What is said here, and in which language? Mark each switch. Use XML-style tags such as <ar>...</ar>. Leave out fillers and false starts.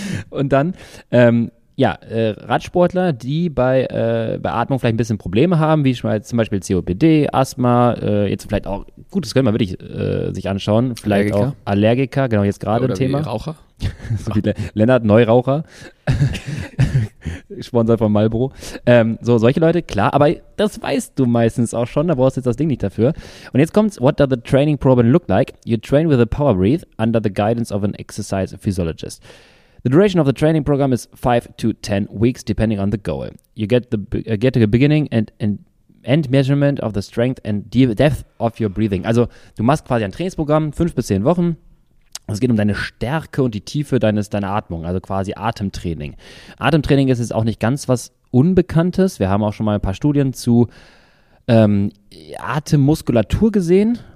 <de>Und dann, Radsportler, die bei Atmung vielleicht ein bisschen Probleme haben, wie zum Beispiel COPD, Asthma, jetzt vielleicht auch, gut, das können wir wirklich sich anschauen, vielleicht Allergiker. Auch Allergiker, genau, jetzt gerade ein Thema. Wie Raucher. So wie Lennart Neuraucher, Sponsor von Marlboro. So, solche Leute, klar, aber das weißt du meistens auch schon, da brauchst du jetzt das Ding nicht dafür. Und jetzt kommt's,</de> <en>what does the training problem look like? You train with a power breathe under the guidance of an exercise physiologist. The duration of the training program is 5 to 10 weeks, depending on the goal. You get the beginning and end measurement of the strength and depth of your breathing.</en> <de>Also, du machst quasi ein Trainingsprogramm, 5 bis 10 Wochen. Es geht um deine Stärke und die Tiefe deiner Atmung, also quasi Atemtraining. Atemtraining ist jetzt auch nicht ganz was Unbekanntes. Wir haben auch schon mal ein paar Studien zu Atemmuskulatur gesehen.</de>